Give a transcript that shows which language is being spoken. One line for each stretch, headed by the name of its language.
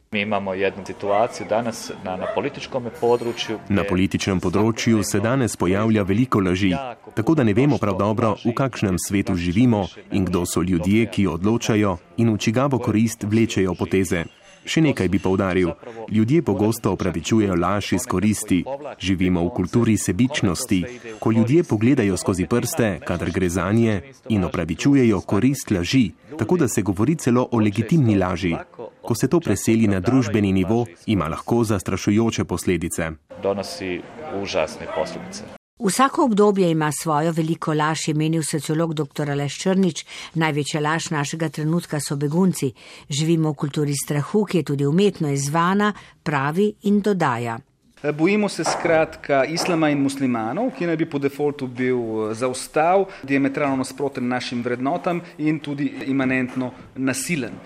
Croatian: Mi imamo jednu situaciju danas na političkom području.
Slovenian: Na političnem področju se danes pojavlja veliko laži, tako da ne vemo prav dobro, v kakšnem svetu živimo in kdo so ljudje, ki odločajo in v čigavo korist vlečejo poteze. Še nekaj bi poudaril. Ljudje pogosto opravičujejo laž iz koristi. Živimo v kulturi sebičnosti, ko ljudje pogledajo skozi prste, kadar gre zanje, in opravičujejo korist laži, tako da se govori celo o legitimni laži. Ko se to preseli na družbeni nivo, ima lahko zastrašujoče posledice.
Croatian: Donosi užasne posledice.
Slovenian: Vsako obdobje ima svojo veliko laž, je menil sociolog dr. Aleš Črnič. Največja laž našega trenutka so begunci. Živimo v kulturi strahu, ki je tudi umetno izzvana, pravi in dodaja. Bojimo se skratka islama in muslimanov, ki naj bi po defaultu bil zaustav, diametralno nasproten našim vrednotam in tudi imanentno nasilen.